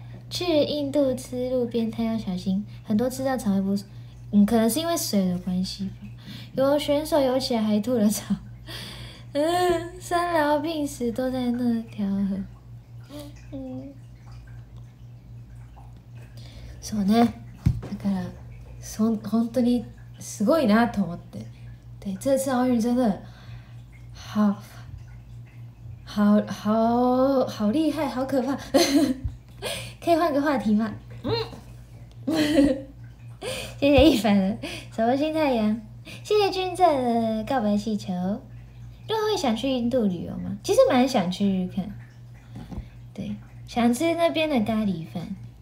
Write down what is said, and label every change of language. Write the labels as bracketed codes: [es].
[zh] 去印度吃路边摊要小心，很多吃到草会不舒服，可能是因为水的关系吧。有选手游起来还吐了草，生老病死都在那条河。 [ja] そうね。だから、本当にすごいなと思って。 [zh] 对，这次奥运真的好好好好厉害，好可怕！可以换个话题吗？嗯，谢谢一凡，什么新太阳？谢谢君正的告白气球。若会想去印度旅游吗？其实蛮想去日本，对，想吃那边的咖喱饭。